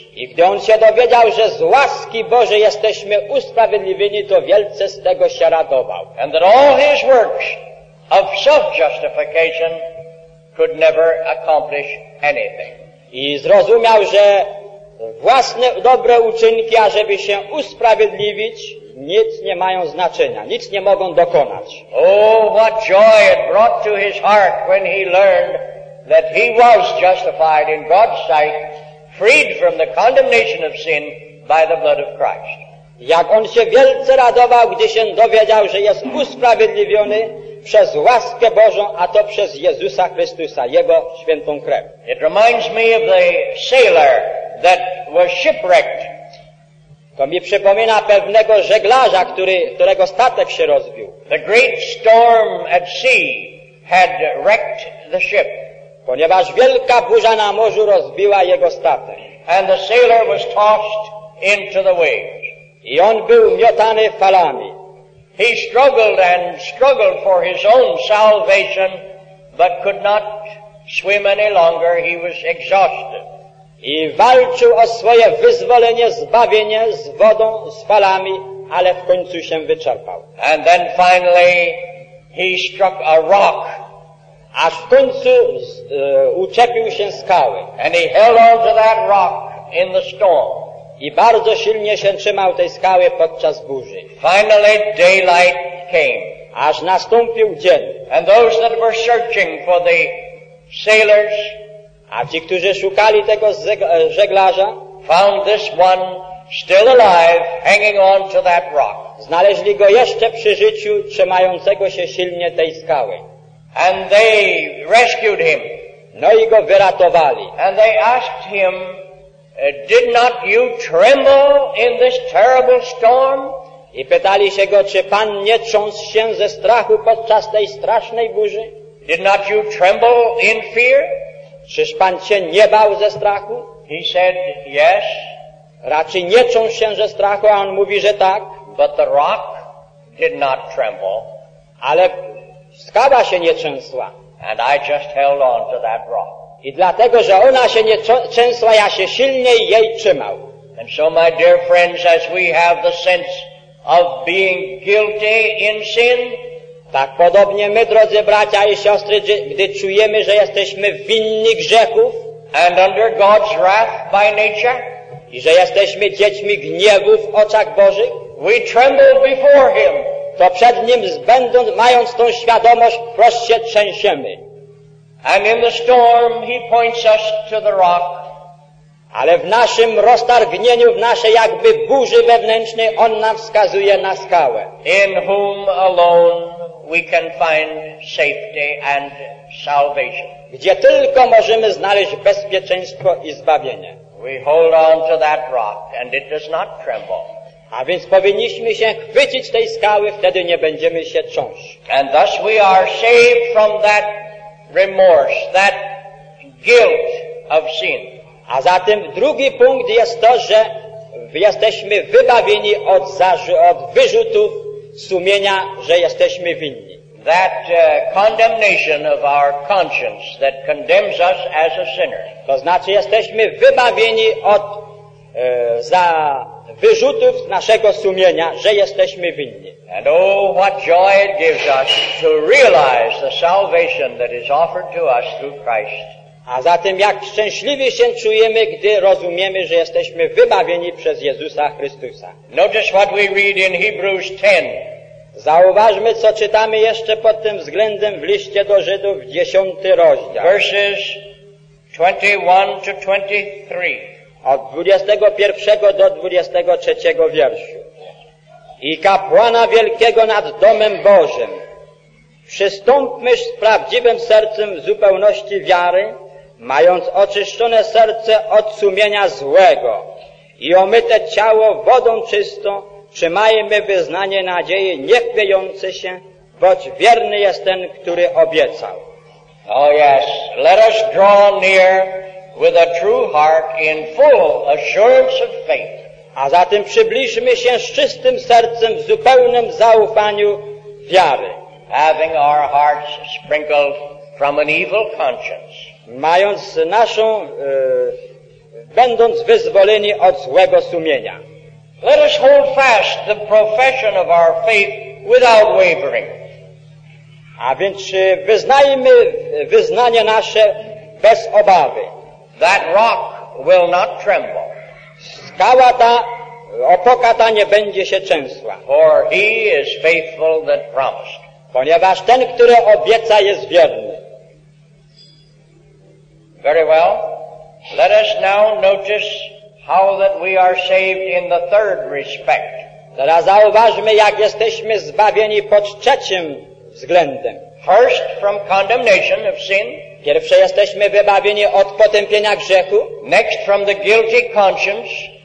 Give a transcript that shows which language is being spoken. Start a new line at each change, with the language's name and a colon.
Polish: I gdy on się dowiedział, że z łaski Bożej jesteśmy usprawiedliwieni, to wielce z tego się radował.
English: And that all his works of self-justification could never accomplish anything.
Polish: I zrozumiał, że własne dobre uczynki, ażeby się usprawiedliwić, nic nie mają znaczenia, nic nie mogą dokonać.
English: Oh, what joy it brought to his heart when he learned that he was justified in God's sight, freed from the condemnation of sin by the blood of Christ.
Polish: Jak on się wielce radował, gdy się dowiedział, że jest usprawiedliwiony przez łaskę Bożą, a to przez Jezusa Chrystusa, Jego świętą krew.
English: It reminds me of the sailor that was shipwrecked.
Polish: To mi przypomina pewnego żeglarza, którego statek się rozbił.
English: The great storm at sea had wrecked the ship.
Polish: Ponieważ wielka burza na morzu rozbiła jego statek.
English: And the sailor was tossed into the waves.
Polish: I on był miotany falami.
English: He struggled and struggled for his own salvation, but could not swim any longer. He was exhausted.
Polish: I walczył o swoje wyzwolenie, zbawienie z wodą, z falami, ale w końcu się wyczerpał.
English: And then finally he struck a rock.
Polish: Aż w końcu uczepił się skały.
English: And he held on to that rock in the storm.
Polish: I bardzo silnie się trzymał tej skały podczas burzy.
English: Finally daylight came.
Polish: Aż nastąpił dzień.
English: And those that were searching for the sailors,
Polish: a ci, którzy szukali tego żeglarza,
English: found this one still alive, hanging on to that rock.
Polish: Znaleźli go jeszcze przy życiu, trzymającego się silnie tej skały.
English: And they rescued him.
Polish: No i go wyratowali.
English: And they asked him, did not you tremble in this terrible storm?
Polish: I pytali się go, czy pan nie trząsł się ze strachu podczas tej strasznej burzy?
English: Did not you tremble in fear?
Polish: Czyż pan się nie bał ze strachu?
English: He said, yes.
Polish: Raczej nie trząsł się ze strachu, a on mówi, że tak.
English: But the rock did not tremble.
Polish: Ale skała się nie trzęsła.
English: And I just held on to that rock.
Polish: I dlatego, że ona się nie trzęsła, ja się silniej jej trzymał.
English: And so, my dear friends, as we have the sense of being guilty in sin,
Polish: tak podobnie my, drodzy bracia i siostry, gdy czujemy, że jesteśmy winni grzechów,
English: and under God's wrath by nature,
Polish: i że jesteśmy dziećmi gniewu w oczach Bożych,
English: we tremble before him.
Polish: To przed nim, mając tą świadomość, wprost się trzęsiemy.
English: And in the storm he points us to the rock.
Polish: Ale w naszym roztargnieniu, w naszej jakby burzy wewnętrznej, on nam wskazuje na skałę.
English: In whom alone we can find safety and salvation.
Polish: Gdzie tylko możemy znaleźć bezpieczeństwo i zbawienie.
English: We hold on to that rock and it does not tremble.
Polish: A więc powinniśmy się chwycić tej skały, wtedy nie będziemy się trząść.
English: And thus we are saved from that remorse, that guilt of sin.
Polish: A zatem drugi punkt jest to, że jesteśmy wybawieni od wyrzutów sumienia, że jesteśmy winni.
English: That condemnation of our conscience that condemns us as a sinner.
Polish: To znaczy, jesteśmy wybawieni od za wyrzutów naszego sumienia, że jesteśmy winni.
English: And oh, what joy it gives us to realize the salvation that is offered to us through Christ.
Polish: A zatem jak szczęśliwi się czujemy, gdy rozumiemy, że jesteśmy wybawieni przez Jezusa Chrystusa.
English: Notice what we read in Hebrews 10.
Polish: Zauważmy, co czytamy jeszcze pod tym względem w liście do Żydów, 10 rozdział.
English: Verses 21 to 23.
Polish: Od 21 do 23 wierszu. I kapłana wielkiego nad domem Bożym, przystąpmy z prawdziwym sercem w zupełności wiary, mając oczyszczone serce od sumienia złego i omyte ciało wodą czystą, trzymajmy wyznanie nadziei niechwiejące się, boć wierny jest ten, który obiecał.
English: Oh yes, let us draw near with a true heart in full assurance of faith.
Polish: A zatem przybliżmy się z czystym sercem w zupełnym zaufaniu wiary.
English: Having our hearts sprinkled from an evil conscience.
Polish: Mając naszą, będąc wyzwoleni od złego sumienia.
English: Let us hold fast the profession of our faith without wavering.
Polish: A więc wyznajmy wyznanie nasze bez obawy.
English: That rock will not tremble.
Polish: Skała ta, opoka ta nie będzie się trzęsła.
English: For he is faithful that promised.
Polish: Ponieważ ten, który obieca, jest wierny.
English: Very well. Let us now notice how that we are saved in the third respect.
Polish: Teraz zauważmy, jak jesteśmy zbawieni pod trzecim względem.
English: First, from condemnation of sin.
Polish: Pierwsze, jesteśmy wybawieni od potępienia grzechu.
English: Next, from the guilty conscience.